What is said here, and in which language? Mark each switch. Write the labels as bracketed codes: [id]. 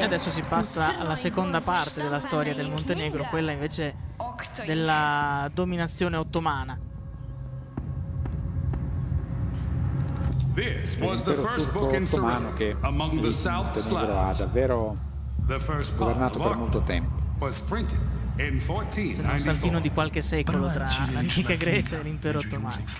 [it] E adesso si passa alla seconda parte della storia del Montenegro, quella invece della dominazione ottomana. [en] This was the first book in Serbia among the South Slavs. The first book was printed in 1494. [it] C'è un saltino di qualche secolo tra l'antica Grecia e l'impero ottomano.